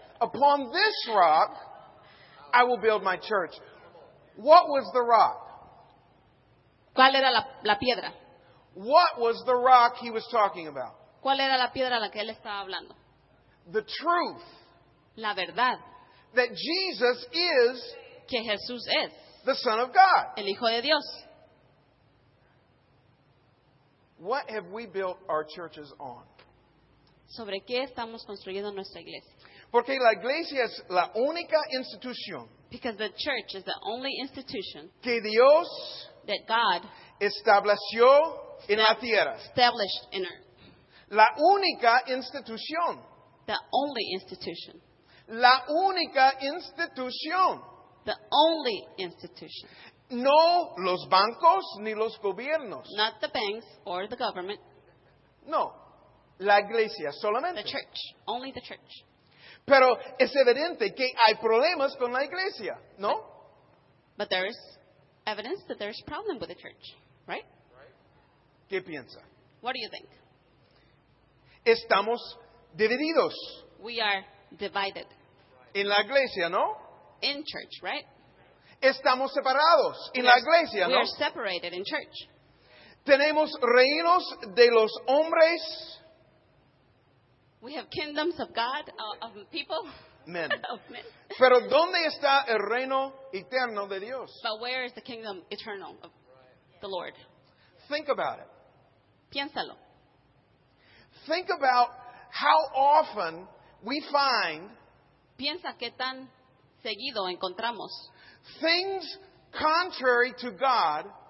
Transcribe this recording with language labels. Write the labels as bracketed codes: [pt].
[en] Upon this rock, I will build my church. What was the rock? [es] ¿Cuál era la piedra? [en] What was the rock he was talking about? [es] ¿Cuál era la piedra a la que él estaba hablando? [en] The truth. [es] La verdad. [en] That Jesus is [es] que Jesús es [en] the Son of God. [es] El Hijo de Dios. [en] What have we built our churches on? [es] ¿Sobre qué estamos construyendo nuestra iglesia? Porque la iglesia es la única institución. [en] Because the church is the only institution [es] que Dios [en] that God [es] estableció en la tierra. [en] Established in earth. [es] La única institución. [en] The only institution. [es] La única institución. [en] The only institution. [es] No los bancos ni los gobiernos. [en] Not the banks or the government. [es] No. La iglesia solamente. [en] The church. Only the church. [es] Pero es evidente que hay problemas con la iglesia, ¿no? [en] But there is evidence that there is a problem with the church, right? [es] ¿Qué piensa? [en] What do you think? [es] Estamos divididos. [en] We are divided. [es] En la iglesia, ¿no? [en] In church, right? [es] Estamos separados en la iglesia, ¿no? [en] We are separated in church. [es] Tenemos reinos de los hombres. [en] We have kingdoms of God, of people. Men. Of men. [es] Pero ¿dónde está el reino eterno de Dios? [en] But where is the kingdom eternal of the Lord? Think about it. [es] Piénsalo. [en] Think about how often we find. [es] Piensa qué tan seguido encontramos. [en] Things contrary to God.